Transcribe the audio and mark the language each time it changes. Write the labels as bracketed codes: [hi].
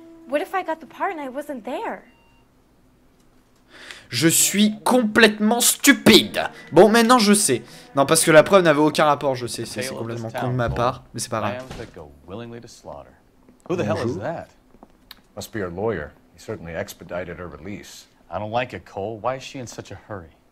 [en] What if I got the part and I wasn't there? [fr] Je suis complètement stupide. Bon, maintenant je sais. Non, parce que la preuve n'avait aucun rapport, je sais. C'est complètement con de ma part, mais c'est pas grave. Bonjour. [en] Who the hell is that? Must be her lawyer. He certainly expedited her release. I don't like it, Cole. Why is she in such a hurry?